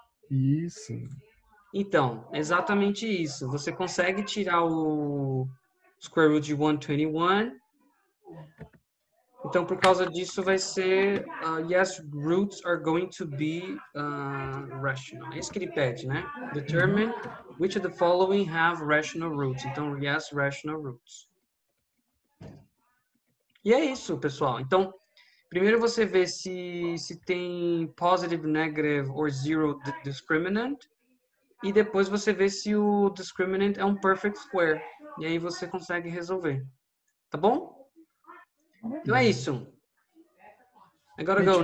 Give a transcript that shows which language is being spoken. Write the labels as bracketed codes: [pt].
[pt] Isso. Então, exatamente isso. Você consegue tirar o square root de 121. Então, por causa disso, vai ser [en] yes, roots are going to be rational. [pt] É isso que ele pede, né? [en] Determine which of the following have rational roots. Então, yes, rational roots. [pt] E é isso, pessoal. Então, primeiro você vê se tem [en] positive, negative or zero discriminant. [pt] E depois você vê se o discriminant é um perfect square. E aí você consegue resolver. Tá bom? Então é isso. Agora [en] go now.